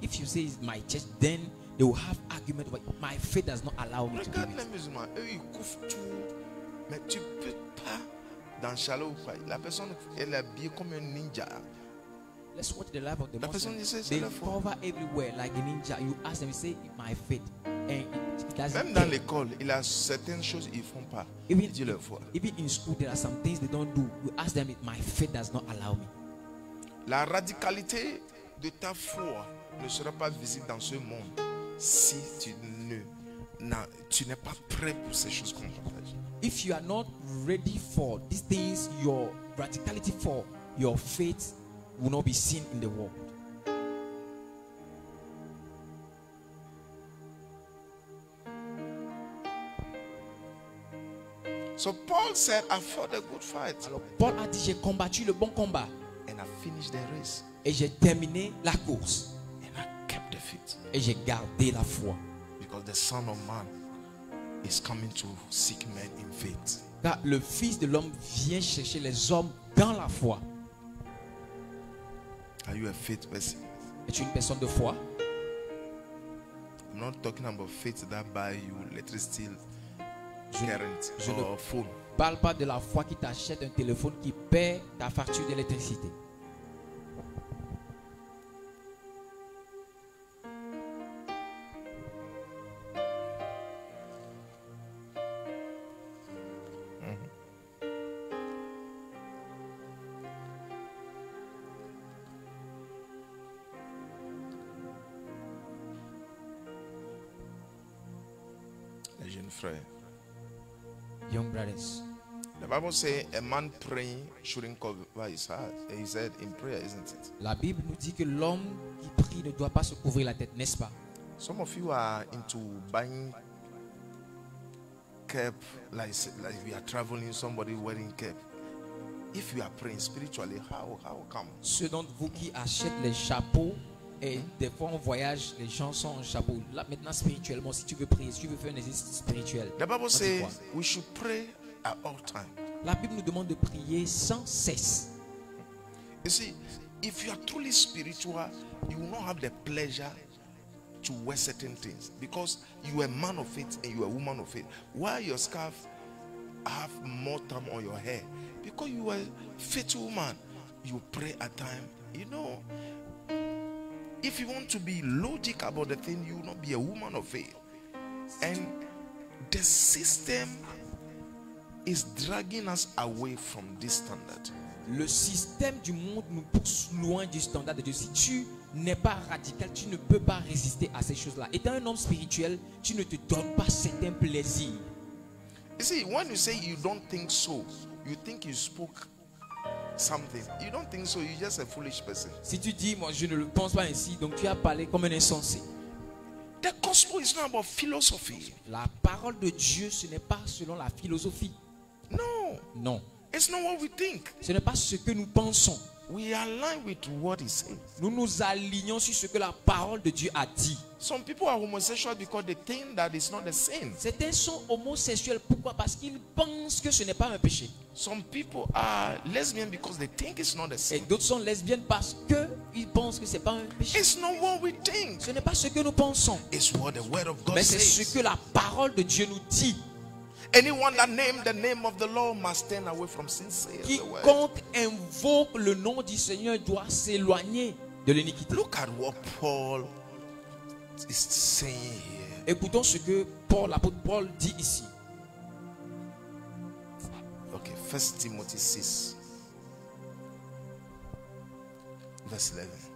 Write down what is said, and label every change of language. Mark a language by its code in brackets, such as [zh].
[en] If you say it's my church, then they will have argument. But my faith does not allow me. [fr] Regarde to les musulmans. Eux, ils couvrent tout. Mais tu peux pas dans Shalom ou pas. La personne, elle est habillée comme un ninja. [en] Let's watch the life of the person. Says, they cover everywhere like a ninja. You ask them, you say, my faith. And it [fr] même dans l'école, il y a certaines choses ils font pas. [en] Even, [fr] il dit leur foi. [en] Even in school, there are some things they don't do. You ask them, my faith does not allow me. [fr] La radicalité de ta foi ne sera pas visible dans ce monde si tu n'es pas prêt pour ces choses qu'on partage. [en] If you are not ready for these things, your radicality for your faith will not be seen in the world. So Paul said, I fought a good fight. [fr] Alors Paul a dit, j'ai combattu le bon combat. [en] And I finished the race. [fr] Et j'ai terminé la course. [en] And I kept the faith. [fr] Et j'ai gardé la foi. [en] Because the Son of Man is coming to seek men in faith. [fr] Car le Fils de l'homme vient chercher les hommes dans la foi. [en] Are you a faith person? [fr] Es-tu une personne de foi? [en] I'm not talking about faith that buy you electricity, current or phone. [fr] Parle pas de la foi qui t'achète un téléphone qui paie ta facture d'électricité. Frère, [en] young brothers, The Bible says a man praying shouldn't cover his heart. He said in prayer, isn't it? [fr] La Bible nous dit que l'homme qui prie ne doit pas se couvrir la tête, n'est-ce pas? [en] Some of you are into buying cap, like if you are traveling, somebody wearing cap. If you are praying spiritually, how come? [fr] Ceux d'entre vous qui achètent les chapeaux et des fois en voyage, les gens sont en chapeau. Là maintenant, spirituellement, si tu veux prier, si tu veux faire un exercice spirituel, [en] the Bible says we should pray at all times. [fr] La Bible nous demande de prier sans cesse. [en] You see, if you are truly spiritual, you will not have the pleasure to wear certain things because you are a man of faith and you are a woman of faith. Why your scarf have more time on your hair? Because you are a faithful woman, you pray at time. You know, if you want to be logic about the thing, you will not be a woman of faith. And the system is dragging us away from this standard. [fr] Le système du monde nous pousse loin du standard de Dieu. Si tu n'es pas radical, tu ne peux pas résister à ces choses-là. Étant un homme spirituel, tu ne te donnes pas certains plaisirs. [en] You see, when you say you don't think so, you think you spoke something. You don't think so, you're just a foolish person. [fr] Si tu dis, moi je ne le pense pas ainsi, donc tu as parlé comme un insensé. [en] The gospel is not about philosophy. [fr] La parole de Dieu, ce n'est pas selon la philosophie. [en] No. [fr] Non. [en] It's not what we think. [fr] Ce n'est pas ce que nous pensons. [en] We align with what he says. [fr] Nous nous alignons sur ce que la parole de Dieu a dit. [en] Some people are homosexual because they think that it's not a sin. [fr] Certains sont homosexuels pourquoi? Parce qu'ils pensent que ce n'est pas un péché. [en] Some people are lesbian because they think it's not a sin. [fr] Et d'autres sont lesbiennes parce que ils pensent que c'est pas un péché. [en] It's not what we think. [fr] Ce n'est pas ce que nous pensons. [en] It's what the word of God [fr] Mais c'est ce que la parole de Dieu nous dit. [en] Anyone that name the name of the Lord must stand away from sin. [fr] Quiconque invoque le nom du Seigneur doit s'éloigner de l'iniquité. [en] Look at what Paul is saying here. [fr] Écoutons ce que Paul, l'apôtre Paul, dit ici. [en] Okay, 1 Timothy 6, verse 11.